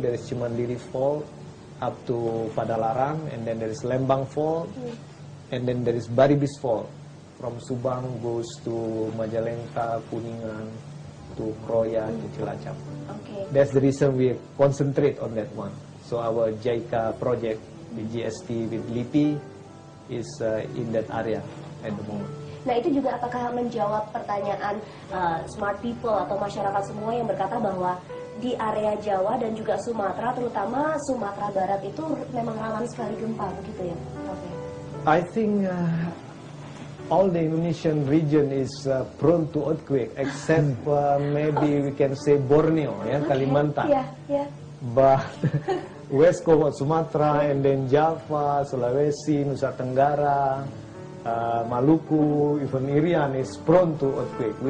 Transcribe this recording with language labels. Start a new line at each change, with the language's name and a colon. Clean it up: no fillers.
English: There is Cimandiri fault up to Padalarang, and then there is Lembang fault, and then there is Baribis fault from Subang goes to Majalengka, Kuningan, to Kroya, to Cilacap. Okay. That's the reason we concentrate on that one. So our JICA project with GST with LIPI is in that area at the moment.
Indonesian: Nah, itu juga apakah menjawab pertanyaan
English: smart people
Indonesian: atau masyarakat semua yang berkata bahwa di area Jawa dan juga Sumatera, terutama Sumatera Barat, itu memang rawan sekali gempa, begitu ya?
English: Okay. I think all the Indonesian region is prone to earthquake, except maybe we can say Borneo, ya, okay.
Indonesian: Kalimantan.
English: Yeah, yeah. But West Coast Sumatra and then Java, Sulawesi, Nusa Tenggara, Maluku, even Irian is prone to earthquake.